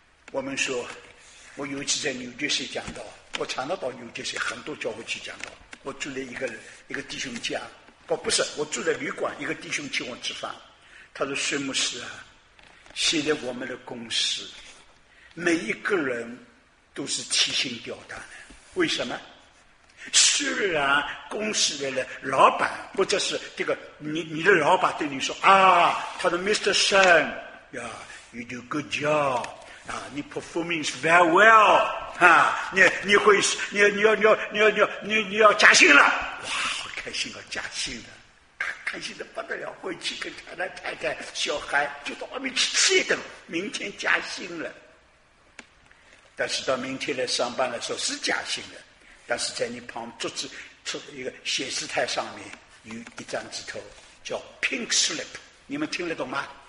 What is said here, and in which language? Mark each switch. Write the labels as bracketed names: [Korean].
[Chinese] 我们说，我有一次在纽约市讲到，我常常到纽约市很多教会去讲到，我住了一个弟兄家，不是我住在旅馆，一个弟兄请我吃饭，他说孙牧师啊，现在我们的公司每一个人都是提心吊胆的。为什么？虽然公司的老板或者是这个你的老板对你说啊，他的 Mr. [English] Sun yeah, You do good job、啊、你 performing very well、啊、 [Chinese] 你要加薪了。哇，好开心啊，加薪了，开心的不得了，回去跟他的太太小孩就到外面去吃一顿，明天加薪了。但是到明天来上班的时候是加薪的，但是在你旁桌子一个显示台上面有一张纸头叫 pink slip， 你们听得懂吗？